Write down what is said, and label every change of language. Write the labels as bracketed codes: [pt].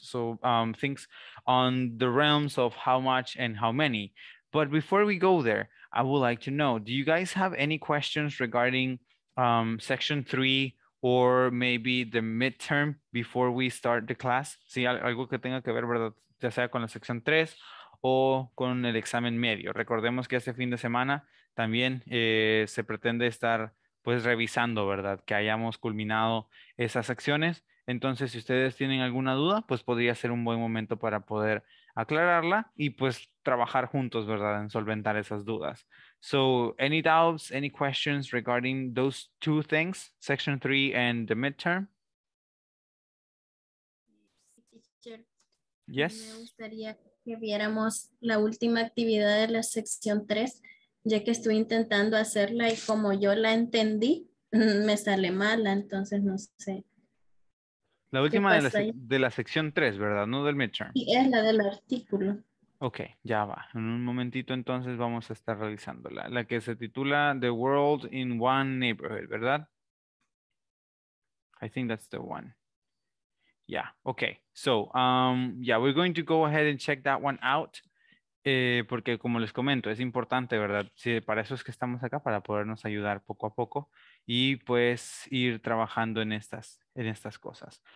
[en] So things on the realms of how much and how many. But before we go there, I would like to know, do you guys have any questions regarding section 3 or maybe the midterm before we start the class? [es] Si algo que tenga que ver, ¿verdad? Ya sea con la sección 3 o con el examen medio. Recordemos que este fin de semana también se pretende estar pues revisando, ¿verdad? Que hayamos culminado esas acciones. Entonces, si ustedes tienen alguna duda, pues podría ser un buen momento para poder aclararla y pues trabajar juntos, ¿verdad? En solventar esas dudas. [en] So, any doubts, any questions regarding those two things, section 3 and the midterm? [es] Sí, teacher. [en] Yes. [es] Me gustaría que viéramos la última actividad de la sección 3. Ya que estoy intentando hacerla y como yo la entendí, me sale mala, entonces no sé. La última de la sección 3, ¿verdad? No del midterm. Sí, es la del artículo. Ok, ya va. En un momentito entonces vamos a estar realizándola. La que se titula [en] The World in One Neighborhood, ¿verdad? I think that's the one. Yeah, ok. So, yeah, we're going to go ahead and check that one out. [es] Porque como les comento, es importante, ¿verdad? Sí, para eso es que estamos acá, para podernos ayudar poco a poco y pues ir trabajando en estas cosas.